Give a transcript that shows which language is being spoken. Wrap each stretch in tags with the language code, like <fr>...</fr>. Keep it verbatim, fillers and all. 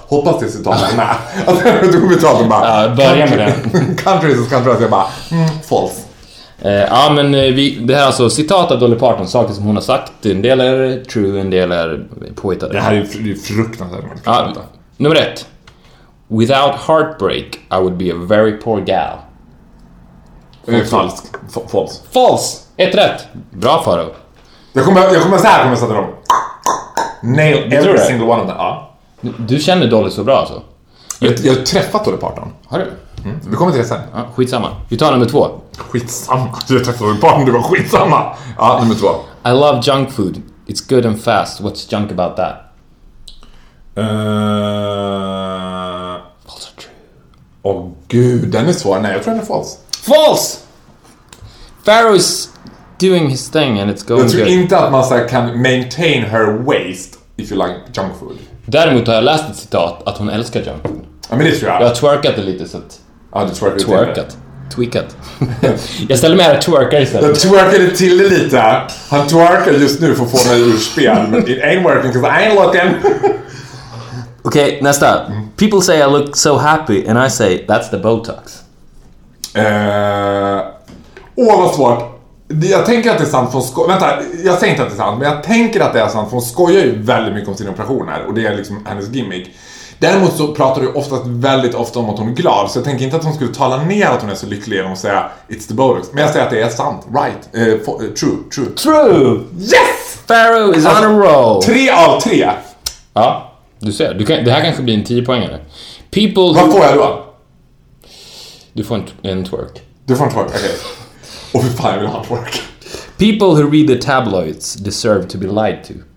<sv>Hoppas det citatet är med. Alltså jag tog betalt och bara... Ja, börja med den.</sv> <en>Country is as country does.</en> <sv>Jag bara,</sv> <en>mm, false.</en> <sv>Eh, ja, men vi, det här är alltså citat av Dolly Parton, saker som hon har sagt. En del är true, en del är påhittade. Det här är ju fruktansvärt. Ja, nummer ett.</sv> <en>Without heartbreak, I would be a very poor gal.</en> <sv>Falskt. Falskt. Falskt. Ett rätt. Bra för dig. Jag kommer, jag kommer så här kommer jag sätta dem.</sv> <en>Nail every single one of them. Ja.</en> <sv>Du, du känner Dolly så bra alltså. Jag, jag har träffat Dolly Parton. Har du? Mm. Vi kommer till det sen. Ja, skitsamma. Vi tar nummer två. Skitsamma. Jag träffade Dolly Parton, det var skitsamma. Ja, nummer två.</sv> <en>I love junk food. It's good and fast. What's junk about that?</en> <sv>Uh... Åh oh, gud, den är svår. Nej, jag tror den är falsk.</sv> <en>False! Pharaoh's doing his thing and it's going</en> <sv>Jag tror</sv> <en>good.</en> <sv>Inte att man så här kan</sv> <en>maintain her waist if you like junk food.</en> <sv>Däremot har jag läst ett citat att hon älskar junk food. Ja, men det tror jag. Jag har twerkat det lite så att... Ja, du twerkade twerkat. Tweakat. Jag ställer mig här och twerkar istället. Jag twerkade till det lite. Han twerkar just nu för att få mig ur spel.</sv> <en>Men it ain't working because I ain't looking.</en> <sv>Okej, okay, nästa.</sv> <en>People say I look so happy and I say that's the Botox.</en> <sv>Åh, uh, oh, vad svårt. Jag tänker att det är sant från sko- Vänta, jag säger inte att det är sant, men jag tänker att det är sant. För hon skojar ju väldigt mycket om sina operationer. Och det är liksom hennes gimmick. Däremot så pratar du oftast väldigt ofta om att hon är glad. Så jag tänker inte att hon skulle tala ner att hon är så lycklig genom att säga</sv> <en>it's the Botox.</en> <sv>Men jag säger att det är sant, right, uh, for, uh, true, true</sv> <en>True! Yes! Pharaoh is alltså, on a roll.</en> <sv>Tre av tre. Ja. Du ser, du kan, det här kanske blir en tio-poängare.</sv> <en>People who...</en> <sv>Vad får jag då? Du får en, en twerk. Du får en twerk, okej. Okay. Och för fan, jag vill ha twerk.</sv> <en>People who read the tabloids deserve to be lied to.</en>